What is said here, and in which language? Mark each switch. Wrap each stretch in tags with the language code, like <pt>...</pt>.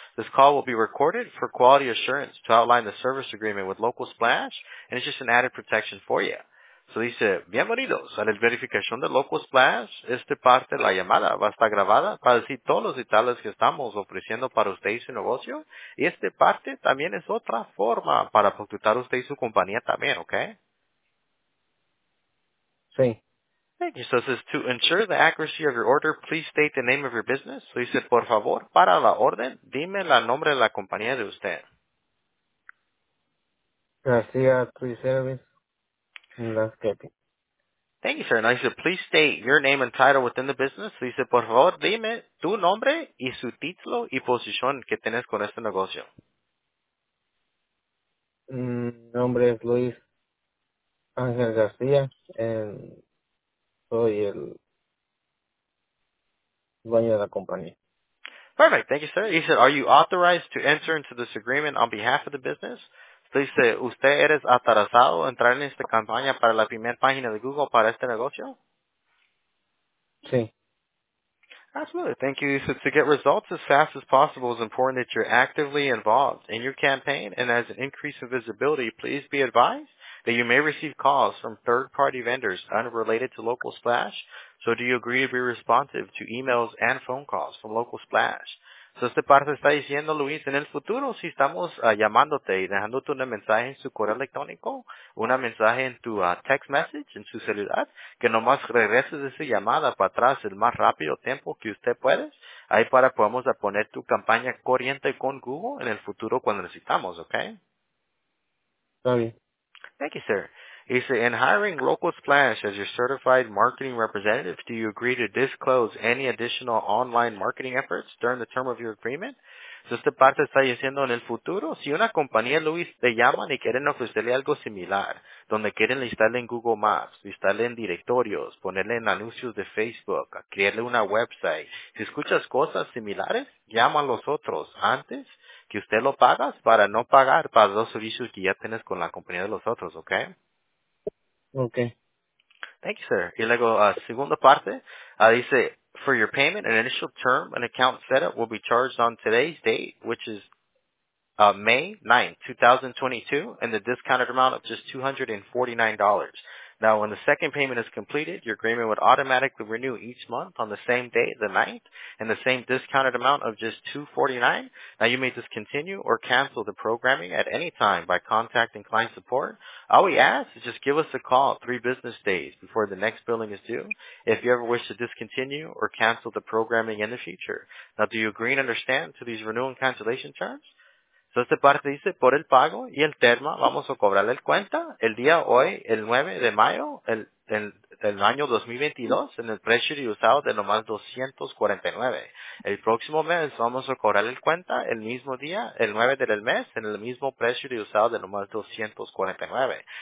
<en>This call will be recorded for quality assurance to outline the service agreement with Local Splash, and it's just an added protection for you.</en> <es>So dice, bienvenidos a la verificación de Local Splash. Esta parte de la llamada va a estar grabada para decir todos los detalles que estamos ofreciendo para usted y su negocio. Y esta parte también es otra forma para contactar usted y su compañía también, ¿ok? Sí.</es> <en>Thank you. So it says, to ensure the accuracy of your order, please state the name of your business.</en> <es>So dice, por favor, para la orden, dime el nombre de la compañía de usted. García, tu servicio.</es> <en>Thank you, sir. Now, he said, please state your name and title within the business. So he said,</en> <es>por favor, dime tu nombre y su título y posición que tienes con este negocio. Nombre es Luis Ángel García. Soy el dueño de la compañía.</es> <en>Perfect. Thank you, sir. He said, are you authorized to enter into this agreement on behalf of the business?</en> <es>Dice, ¿usted eres atrasado a entrar en esta campaña para la primera página de Google para este negocio? Sí.</es> <en>Absolutely. Thank you. So to get results as fast as possible, it's important that you're actively involved in your campaign. And as an increase in visibility, please be advised that you may receive calls from third-party vendors unrelated to Local Splash. So do you agree to be responsive to emails and phone calls from Local Splash?</en> <es>So, esta parte está diciendo, Luis, en el futuro, si estamos llamándote y dejándote un mensaje en su correo electrónico, un mensaje en tu text message, en su celular, que nomás regreses esa llamada para atrás el más rápido tiempo que usted puede, ahí para podamos poner tu campaña corriente con Google en el futuro cuando necesitamos, ¿ok? Está bien.</es> <en>Thank you, sir. He said, in hiring Local Splash as your certified marketing representative, do you agree to disclose any additional online marketing efforts during the term of your agreement?</en> <es>Si usted parte está diciendo en el futuro, si una compañía, Luis, te llaman y quieren ofrecerle algo similar, donde quieren listarle en Google Maps, listarle en directorios, ponerle en anuncios de Facebook, crearle una website. Si escuchas cosas similares, llama a los otros antes que usted lo pagas para no pagar para los servicios que ya tienes con la compañía de los otros, ¿ok? Ok.</es> <en>Thank you, sir.</en> <es>Y luego, segunda parte, dice,</es> <en>for your payment, an initial term, an account setup will be charged on today's date, which is May 9, 2022, and the discounted amount of just $249. Now, when the second payment is completed, your agreement would automatically renew each month on the same day, the 9th, and the same discounted amount of just $249. Now, you may discontinue or cancel the programming at any time by contacting client support. All we ask is just give us a call 3 business days before the next billing is due if you ever wish to discontinue or cancel the programming in the future. Now, do you agree and understand to these renewal and cancellation terms?</en> <es>So, esta parte dice, por el pago y el termo, vamos a cobrarle el cuenta el día hoy, el 9 de mayo del año 2022, en el precio de usado de nomás $249. El próximo mes, vamos a cobrarle el cuenta el mismo día, el 9 del mes, en el mismo precio de usado de nomás $249.</es>